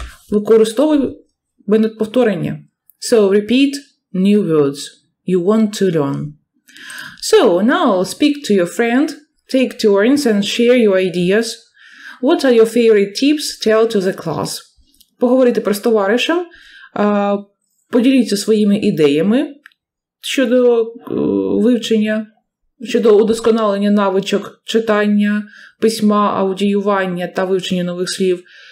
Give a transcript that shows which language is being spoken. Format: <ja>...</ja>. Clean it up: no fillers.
<uk>Використовуй метод повторення.</uk> <en>So, repeat new words you want to learn. So, now speak to your friend, take turns and share your ideas. What are your favorite tips? Tell to the class.</en> <uk>Поговорити про товаришем, поділіться своїми ідеями щодо вивчення, щодо удосконалення навичок читання, письма, аудіювання та вивчення нових слів.</uk>